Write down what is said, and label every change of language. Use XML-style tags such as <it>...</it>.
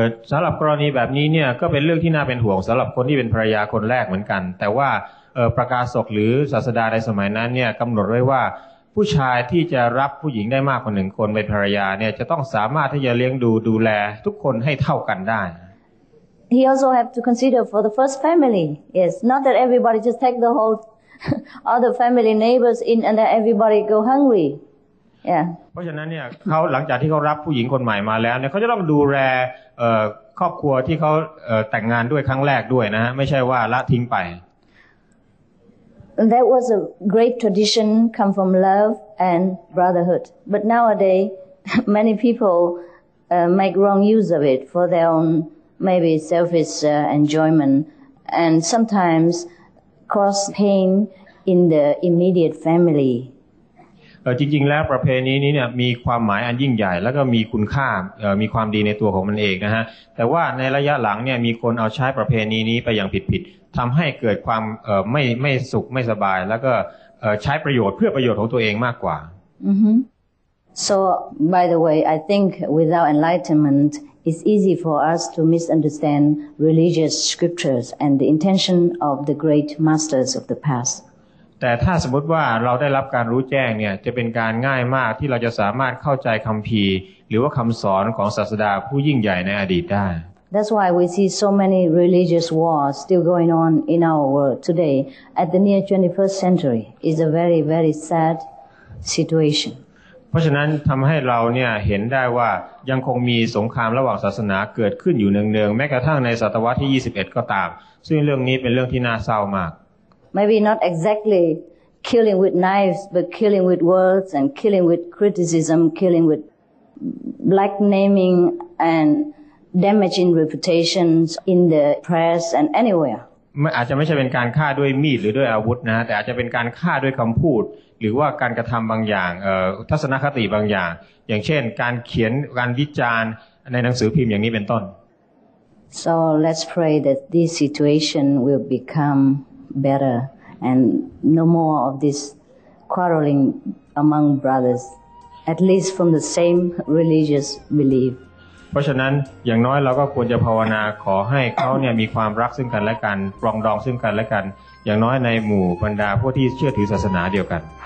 <th>สำหรับกรณีแบบนี้เนี่ยก็เป็นเรื่องที่น่าเป็นห่วงสำหรับคนที่เป็นภรรยาคนแรกเหมือนกันแต่ว่าประกาศกหรือศาสดาในสมัยนั้นเนี่ยกำหนดไว้ว่าผู้ชายที่จะรับผู้หญิงได้มากกว่าหนึ่งคนเป็นภรรยาเนี่ยจะต้องสามารถที่จะเลี้ยงดูแลทุกคนให้เท่ากันได้</th> <en>He also have to consider for the first family. Yes, not that everybody just take the whole other family neighbors in and then everybody go hungry. Yeah.</en> <th>เพราะฉะนั้นเนี่ยเขาหลังจากที่เขารับผู้หญิงคนใหม่มาแล้วเนี่ยเขาจะต้องดูแลครอบครัวที่เขาแต่งงานด้วยครั้งแรกด้วยนะฮะไม่ใช่ว่าละทิ้งไป</th> <en>That was a great tradition come from love and brotherhood. But nowadays many people make wrong use of it for their ownMaybe selfish enjoyment, and sometimes cause pain in the immediate family.</en> <th>จริงๆแล้วประเพณีนี้เนี่ยมีความหมายอันยิ่งใหญ่แล้วก็มีคุณค่ามีความดีในตัวของมันเองนะฮะแต่ว่าในระยะหลังเนี่ยมีคนเอาใช้ประเพณีนี้ไปอย่างผิดๆทำให้เกิดความไม่สุขไม่สบายแล้วก็ใช้ประโยชน์เพื่อประโยชน์ของตัวเองมากกว่า</th> <en>So by the way, I think without enlightenmentIt's easy for us to misunderstand religious scriptures and the intention of the great masters of the past.</en> <th>แต่ถ้าสมมติว่าเราได้รับการรู้แจ้งเนี่ยจะเป็นการง่ายมากที่เราจะสามารถเข้าใจคัมภีร์หรือว่าคำสอนของศาสดาผู้ยิ่งใหญ่ในอดีตได้</th> <en>That's why we see so many religious wars still going on in our world today at the near 21st century. It's a very, very sad situation.</en> <th>เพราะฉะนั้นทำให้เราเนี่ยเห็นได้ว่ายังคงมีสงครามระหว่างศาสนาเกิดขึ้นอยู่เนืองๆแม้กระทั่งในศตวรรษที่21ก็ตามซึ่งเรื่องนี้เป็นเรื่องที่น่าเศร้ามาก</th> <en>Maybe not exactly killing with knives but killing with words and killing with criticism killing with black naming and damaging reputations in the press and anywhere</en> <th>มันอาจจะไม่ใช่เป็นการฆ่าด้วยมีดหรือด้วยอาวุธนะแต่อาจจะเป็นการฆ่าด้วยคำพูดหรือว่าการกระทำบางอย่างทัศนคติบางอย่างอย่างเช่นการเขียนการวิจารณ์ในหนังสือพิมพ์อย่างนี้เป็นต้น</th> <en>So let's pray that this situation will become better and no more of this quarreling among brothers at least from the same religious belief</en> <th>เพราะฉะนั้นอย่างน้อยเราก็ควรจะภาวนาขอให้เขาเนี่ยมีความรักซึ่งกันและกันปรองดองซึ่งกันและกันอย่างน้อยในหมู่บรรดาผู้ที่เชื่อถือศาสนาเดียวกัน</th>